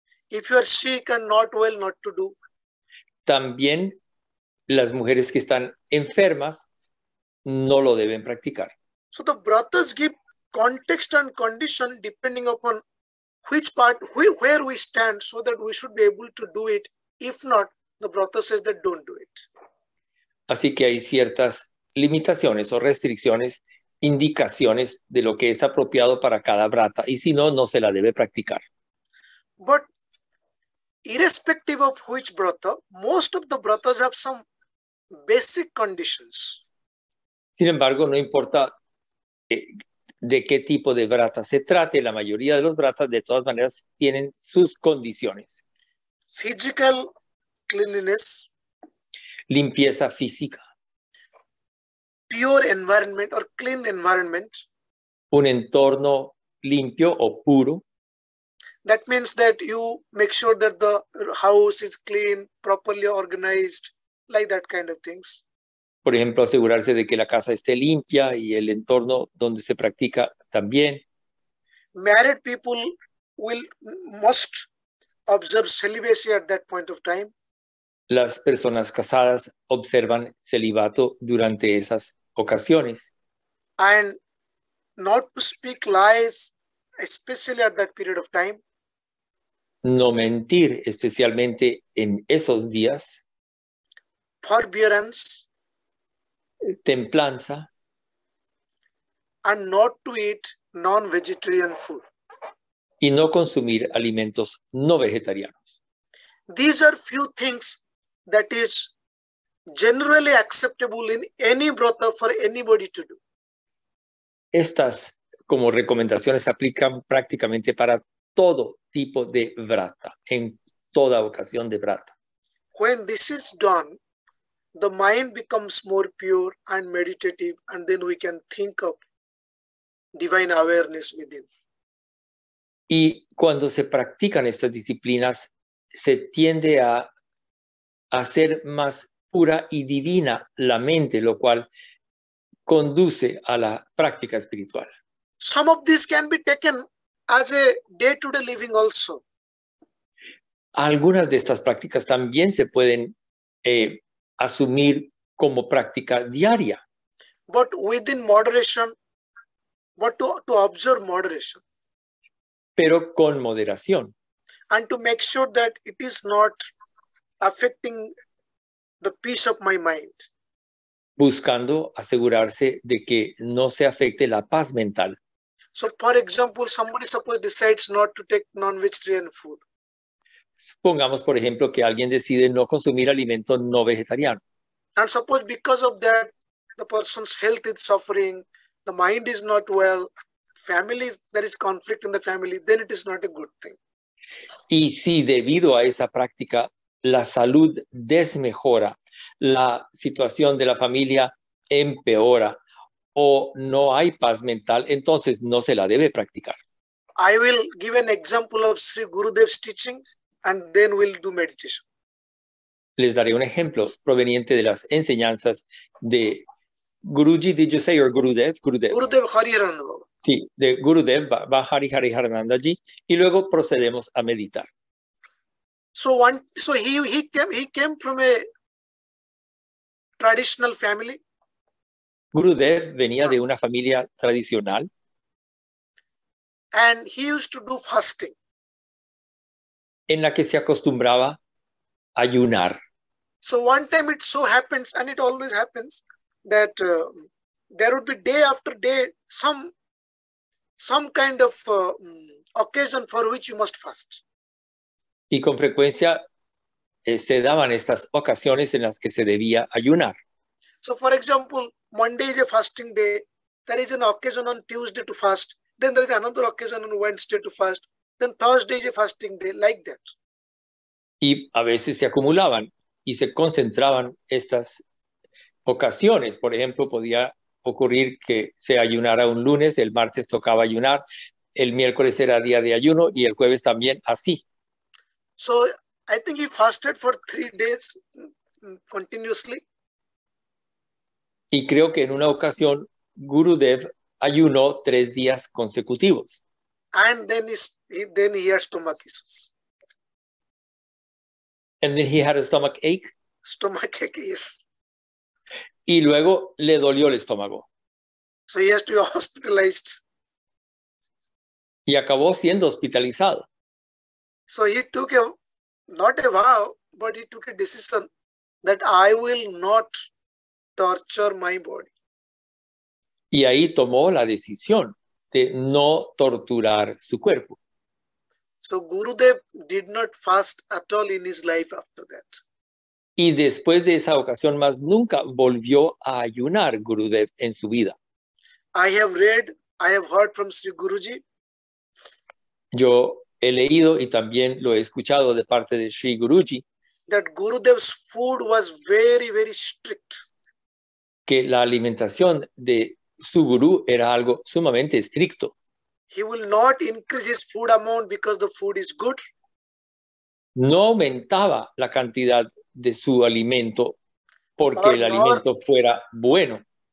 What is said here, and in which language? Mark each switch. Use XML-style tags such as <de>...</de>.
<en>If you are sick and not well, not to do.</en> <es>También las mujeres que están enfermas no lo deben practicar.</es> <en>So the brothers give context and condition depending upon which part, where we stand, so that we should be able to do it. If not, the brother says that don't do it.</en> <es>Así que hay ciertas limitaciones o restricciones, indicaciones de lo que es apropiado para cada brata, y si no, no se la debe practicar.</es> <en>But irrespective of which brata, most of the brothers have some basic conditions.</en> <es>Sin embargo, no importa de qué tipo de brata se trate, la mayoría de los bratas de todas maneras tienen sus condiciones.</es> <en>Physical cleanliness.</en> <es>Limpieza física.</es> <en>Pure environment or clean environment.</en> <es>Un entorno limpio o puro.</es> <en>That means that you make sure that the house is clean, properly organized, like that kind of things.</en> <es>Por ejemplo, asegurarse de que la casa esté limpia y el entorno donde se practica también.</es> <en>Married people must observe celibacy at that point of time.</en> <es>Las personas casadas observan celibato durante esas ocasiones.</es> <en>And not to speak lies, especially at that period of time.</en> <es>no mentir, especialmente en esos días.</es> <en>Forbearance.</en> <es>Templanza.</es> <en>And not to eat non-vegetarian food.</en> <es>Y no consumir alimentos no vegetarianos.</es> <en>These are few things that is generally acceptable in any brata for anybody to do.</en> <es>Estas como recomendaciones aplican prácticamente para todo tipo de brata, en toda ocasión de brata.</es> <en>When this is done, the mind becomes more pure and meditative, and then we can think of divine awareness within.</en> <es>Y cuando se practican estas disciplinas, se tiende a hacer más pura y divina la mente, lo cual conduce a la práctica espiritual.</es> <en>Some of this can be taken as a day-to-day living also.</en> <es>Algunas de estas prácticas también se pueden asumir como práctica diaria.</es> <en>But within moderation, but to observe moderation.</en> <es>Pero con moderación.</es> <en>And to make sure that it is not affecting the peace of my mind.</en> <es>Buscando asegurarse de que no se afecte la paz mental.</es> <en>So, for example, somebody suppose decides not to take non-vegetarian food.</en> <es>Supongamos, por ejemplo, que alguien decide no consumir alimento no vegetariano.</es> <en>And suppose because of that, the person's health is suffering, the mind is not well, family, there is conflict in the family, then it is not a good thing.</en> <es>Y si debido a esa práctica la salud desmejora, la situación de la familia empeora o no hay paz mental, entonces no se la debe practicar.</es> <en>I will give an example of Sri Gurudev's teachings and then we'll do meditation.</en> <es>Les daré un ejemplo proveniente de las enseñanzas de Guruji,</es> <en>did you say, or Gurudev? Gurudev Hariharananda.</en> <es>Sí, de Gurudev Bahari Hariharananda ji, y luego procedemos a meditar.</es> <en>So he came from a traditional family.</en> <es>Gurudev venía de una familia tradicional.</es> <en>And he used to do fasting.</en> <es>En la que se acostumbraba a ayunar.</es> <en>So one time it so happens, and it always happens, that there would be day after day some kind of occasion for which you must fast.</en> <es>Y con frecuencia se daban estas ocasiones en las que se debía ayunar.</es> <en>So for example, Monday is a fasting day. There is an occasion on Tuesday to fast. Then there is another occasion on Wednesday to fast. Then Thursday is a fasting day, like that.</en> <es>Y a veces se acumulaban y se concentraban estas ocasiones. Por ejemplo, podía ocurrir que se ayunara un lunes, el martes tocaba ayunar, el miércoles era día de ayuno y el jueves también así.</es> <en>So, I think he fasted for 3 days continuously.</en> <es>Y creo que en una ocasión Gurudev ayunó 3 días consecutivos.</es> <en>And then he had stomach issues. And then he had a stomach ache? Stomach ache, yes.</en> <es>Y luego le dolió el estómago.</es> <en>So he has to be hospitalized.</en> <es>Y acabó siendo hospitalizado.</es> <en>So he took a, not a vow, but he took a decision that I will not torture my body.</en> <es>Y ahí tomó la decisión de no torturar su cuerpo.</es> <en>So Gurudev did not fast at all in his life after that.</en> <es>Y después de esa ocasión, más nunca volvió a ayunar Gurudev en su vida.</es> <en>I have heard from Sri Guruji.</en> <es>Yo he leído y también lo he escuchado de parte de Sri Guruji.</es> <en>That Gurudev's food was very, very strict.</en> <es>Que la alimentación de su gurú era algo sumamente estricto.</es> <en>He will not increase his food amount because the food is good.</en> <es>No aumentaba la cantidad de su alimento porque el alimento fuera bueno.</es>